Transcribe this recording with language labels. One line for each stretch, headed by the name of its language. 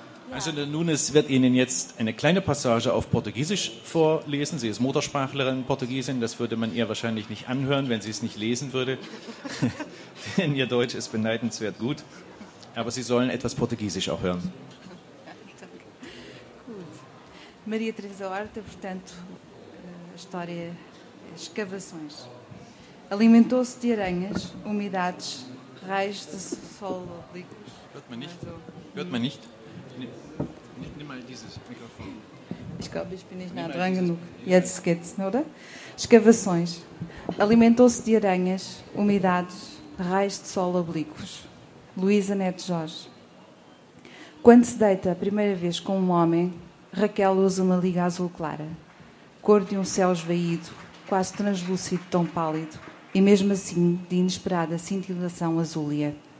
German: Also der Nunes wird Ihnen jetzt eine kleine Passage auf Portugiesisch vorlesen. Sie ist Muttersprachlerin, Portugiesin. Das würde man ihr wahrscheinlich nicht anhören, wenn sie es nicht lesen würde. Denn ihr Deutsch ist beneidenswert gut. Aber Sie sollen etwas Portugiesisch auch hören. Gut.
Portuguese: Maria Teresa Horta, portanto, história, escavações. Alimentou-se de aranhas, umidades, raios de sol oblíquos.
German: Hört man nicht? Hört man nicht? Nimm mal dieses Mikrofon. Ich glaube, ich bin nicht nah dran genug. Jetzt geht's, oder? Escavações.
Portuguese: Alimentou-se de aranhas, umidades, raios de sol oblíquos. Luísa Neto Jorge. Quando se deita a primeira vez com um homem, Raquel usa uma liga azul clara, cor de um céu esvaído, quase translúcido, tão pálido, e mesmo assim de inesperada cintilação azúlea.